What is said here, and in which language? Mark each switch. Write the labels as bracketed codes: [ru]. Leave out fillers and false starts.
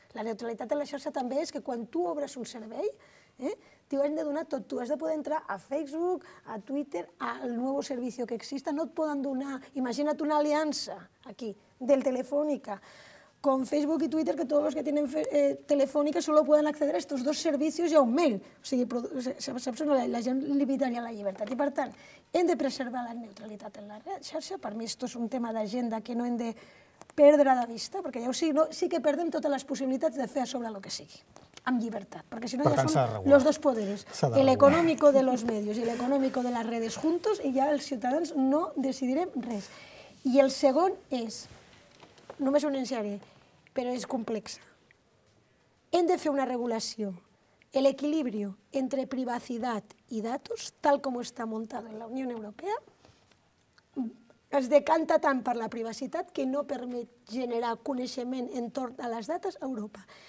[ca] La neutralitat de la xarxa també és que quan tu obres un servei, t'ho han de donar tot. Tu has de poder entrar a Facebook, a Twitter, al nou servei que exista. No et poden donar, imagina't una aliança aquí, [es] del Telefónica, con Facebook y Twitter, que todos los que tienen Telefónica solo pueden acceder a estos dos servicios y a un mail. [ca] O sigui, saps, la gent limitaria la llibertat. I, per tant, hem de preservar la neutralitat en la xarxa. Per mi, [es] esto es [ca] un tema d'agenda que no hem de perdre de vista, perquè ja ho sigui, no, sí que perdem totes les possibilitats de fer a sobre el que sigui, amb llibertat. Perquè, si no, ja són [es] los dos poderes. El económico de los medios y el económico de las redes juntos y ya [ca] els ciutadans no decidirem res. I el segon és... Només ho anunciaré, però és complexa. Hem de fer una regulació. L'equilibri entre privacitat i dades, tal com està muntat en la Unió Europea, es decanta tant per la privacitat que no permet generar coneixement entorn de les dades a Europa.